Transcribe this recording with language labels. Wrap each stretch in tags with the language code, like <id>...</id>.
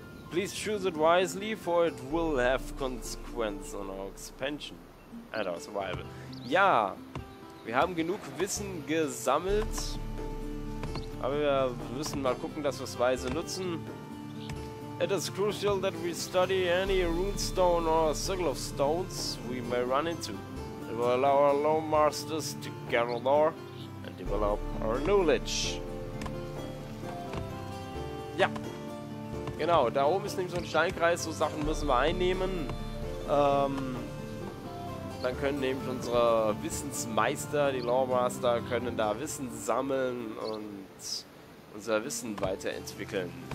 <en>Please choose it wisely, for it will have consequences on our expansion and our survival.</en> <de>Ja, wir haben genug Wissen gesammelt. Aber wir müssen mal gucken, dass wir es weise nutzen.</de> <en>It is crucial that we study any runestone or circle of stones we may run into. It will allow our lore masters to gather lore and develop our knowledge.</en> <de>Ja. Genau, da oben ist nämlich so ein Steinkreis, so Sachen müssen wir einnehmen. Dann können nämlich unsere Wissensmeister, die Loremaster, können da Wissen sammeln und unser Wissen weiterentwickeln.</de>